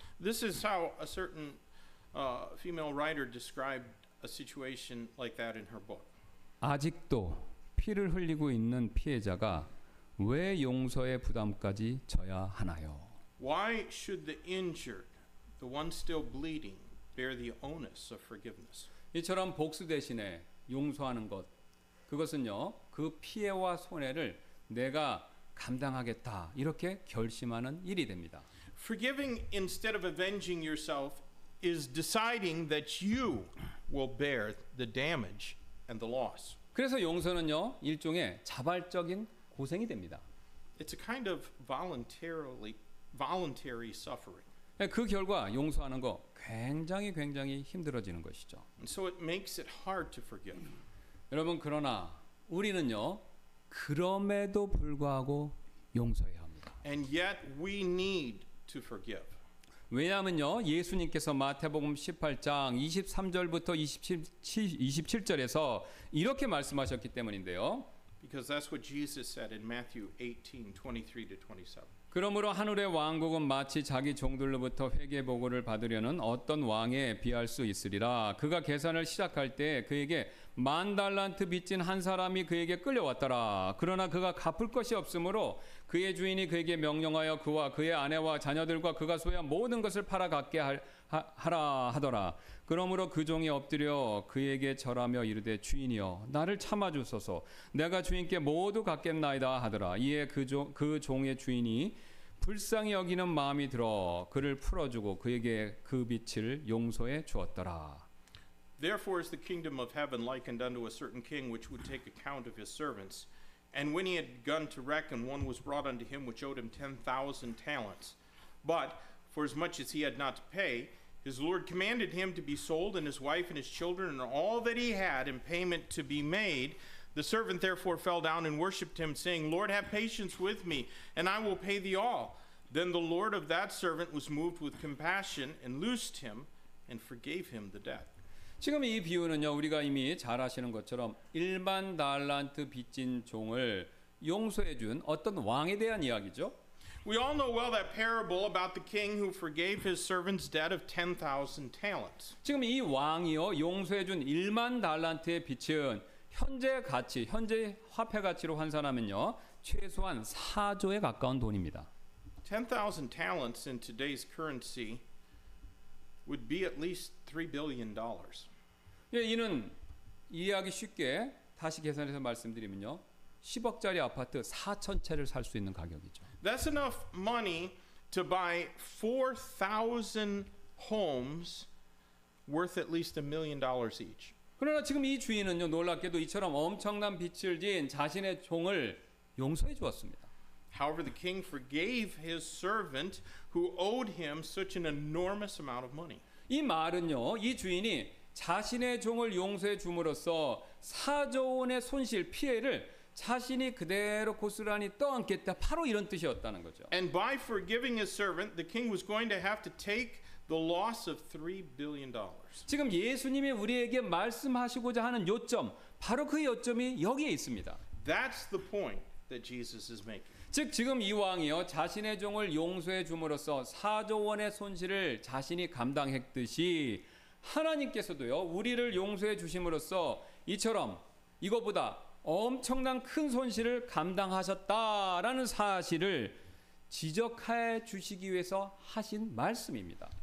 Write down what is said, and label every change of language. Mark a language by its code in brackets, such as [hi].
[en] This is how a certain female writer described a situation like that in her book. [ko] 아직도 피를 흘리고 있는 피해자가 왜 용서의 부담까지 져야 하나요? [en] Why should the injured, the one still bleeding, bear the onus of forgiveness? [ko] 이처럼 복수 대신에 용서하는 것, 그것은요 그 피해와 손해를 내가 감당하겠다 이렇게 결심하는 일이 됩니다. [en] Forgiving instead of avenging yourself is deciding that you will bear the damage and the loss. [ko] 그래서 용서는요 일종의 자발적인 고생이 됩니다. [en] It's a kind of voluntary suffering. [ko] 그 결과 용서하는 거 굉장히 굉장히 힘들어지는 것이죠. [en] And so it makes it hard to forgive. [ko] 여러분 그러나 우리는요 그럼에도 불구하고 용서해야 합니다. [en] And yet we need to forgive. [ko] 왜냐하면요 예수님께서 마태복음 18장 23절부터 27절에서 이렇게 말씀하셨기 때문인데요. [en] Because that's what Jesus said in Matthew 18:23-27. [ko] 그러므로 하늘의 왕국은 마치 자기 종들로부터 회개 보고를 받으려는 어떤 왕에 비할 수 있으리라. 그가 계산을 시작할 때 그에게 만 달란트 빚진 한 사람이 그에게 끌려왔더라. 그러나 그가 갚을 것이 없으므로 그의 주인이 그에게 명령하여 그와 그의 아내와 자녀들과 그가 소유한 모든 것을 팔아 갚게 하라 하더라. 그러므로 그 종이 엎드려 그에게 절하며 이르되 주인이여 나를 참아주소서 내가 주인께 모두 갚겠나이다 하더라. 이에 그 종의 주인이 불쌍히 여기는 마음이 들어 그를 풀어주고 그에게 그 빚을 용서해 주었더라. [en] Therefore is the kingdom of heaven likened unto a certain king which would take account of his servants. And when he had begun to reckon, one was brought unto him which owed him 10,000 talents. But for as much as he had not to pay, his lord commanded him to be sold, and his wife and his children, and all that he had, in payment to be made. The servant therefore fell down and worshipped him, saying, Lord, have patience with me, and I will pay thee all. Then the lord of that servant was moved with compassion, and loosed him, and forgave him the debt. [ko] 지금 이 비유는요 우리가 이미 잘 아시는 것처럼 1만 달란트 빚진 종을 용서해 준 어떤 왕에 대한 이야기죠. [en] We all know well that parable about the king who forgave his servant's debt of 10,000 talents. [ko] 지금 이 왕이요 용서해 준 1만 달란트의 빚은 현재 가치, 현재 화폐 가치로 환산하면요 최소한 4조에 가까운 돈입니다. [en] 10,000 talents in today's currency would be at least $3 billion. [ko] 예, 이는 이해하기 쉽게 다시 계산해서 말씀드리면요. 10억짜리 아파트 4천 채를 살 수 있는 가격이죠. [en] That's enough money to buy 4,000 homes worth at least $1 million each. [ko] 그러나 지금 이 주인은요, 놀랍게도 이처럼 엄청난 빚을 진 자신의 종을 용서해 주었습니다. [en] However, the king forgave his servant who owed him such an enormous amount of money. [ko] 이 말은요, 이 주인이 자신의 종을 용서해 줌으로써 4조 원의 손실 피해를 자신이 그대로 고스란히 떠안겠다. 바로 이런 뜻이었다는 거죠. [en] And by forgiving his servant, the king was going to have to take the loss of $3 billion. [ko] 지금 예수님이 우리에게 말씀하시고자 하는 요점, 바로 그 요점이 여기에 있습니다. [en] That's the point that Jesus is making. [ko] 즉 지금 이 왕이요 자신의 종을 용서해 줌으로써 4조 원의 손실을 자신이 감당했듯이 하나님께서도요 우리를 용서해 주심으로써 이처럼 이거보다 엄청난 큰 손실을 감당하셨다라는 사실을 지적해 주시기 위해서 하신 말씀입니다.